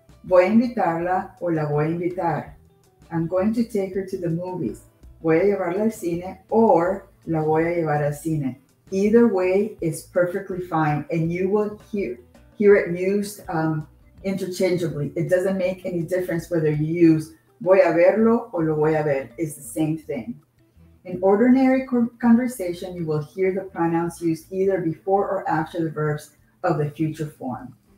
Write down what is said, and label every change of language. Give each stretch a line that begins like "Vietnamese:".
Spanish: Voy a invitarla o la voy a invitar.
English: I'm going to take her to the movies.
Spanish: Voy a llevarla al cine or la voy a llevar al cine.
English: Either way is perfectly fine and you will hear it used interchangeably. It doesn't make any difference whether you use
Spanish: voy a verlo o lo voy a ver.
English: It's the same thing. In ordinary conversation, you will hear the pronouns used either before or after the verbs of the future form.